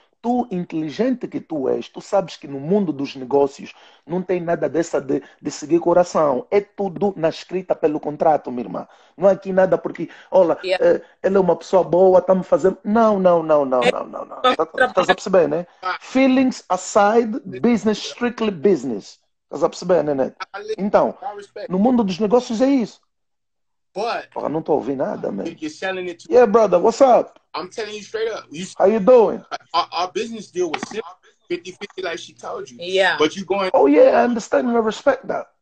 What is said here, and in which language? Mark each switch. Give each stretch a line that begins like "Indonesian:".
Portuguese: Tu, inteligente que tu és, tu sabes que no mundo dos negócios não tem nada dessa de seguir coração. É tudo na escrita pelo contrato, minha irmã. Não é aqui nada porque, olha, ele é uma pessoa boa, está me fazendo... Não. Estás a perceber, né?
English: Feelings aside, business, strictly business.
Portuguese: Estás a perceber, né, Neto? Então, no mundo dos negócios é isso. Porra, não estou ouvindo nada, man.
English: Yeah, brother, what's up? I'm telling you straight up. You, how you doing? Our business deal was simple, 50-50, like she told you. Yeah. But you're going. Oh, yeah, I understand and I respect that.